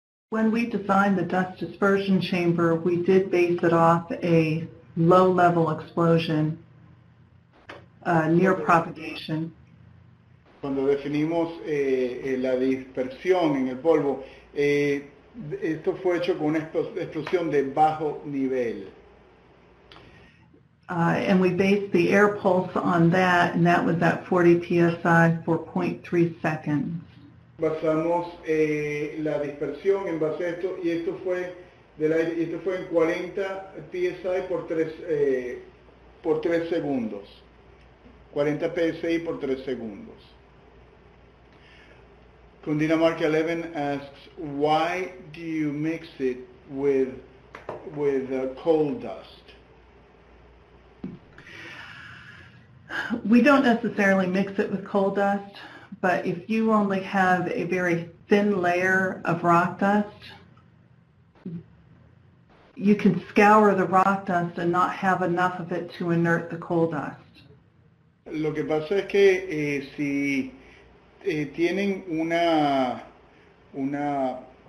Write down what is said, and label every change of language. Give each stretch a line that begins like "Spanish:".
English: When we designed the dust dispersion chamber, we did base it off a low-level explosion near propagation.
Spanish: Cuando definimos la dispersión en el polvo, esto fue hecho con una explosión de bajo nivel.
English: And we based the air pulse on that, and that was at 40 psi for 0.3 seconds.
Spanish: Basamos la dispersión en base a esto y esto fue del aire, y esto fue en 40 psi por 3 segundos. 40 psi por 3 segundos.
English: Cundinamarca 11 asks, why do you mix it with coal dust? We don't necessarily mix it with coal dust, but if you only have a very thin layer of rock dust, you can scour the rock dust and not have enough of it to inert the coal dust.
Spanish: Lo que pasa es que si tienen una...